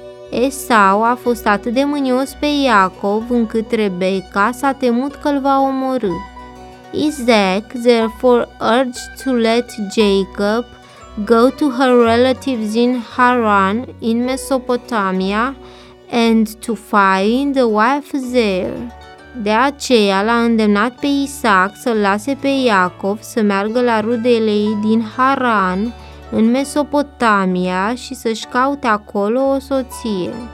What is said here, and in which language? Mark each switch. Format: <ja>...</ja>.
<ro>Esau a fost atât de mânios pe Iacov încât Rebecca s-a temut că îl va omorî.</ro> <en>Isaac therefore urged to let Jacob go to her relatives in Haran in Mesopotamia and to find a wife there.</en> <ro>De aceea l-a îndemnat pe Isaac să-l lase pe Iacov să meargă la rudele ei din Haran în Mesopotamia și să-și caute acolo o soție.</ro>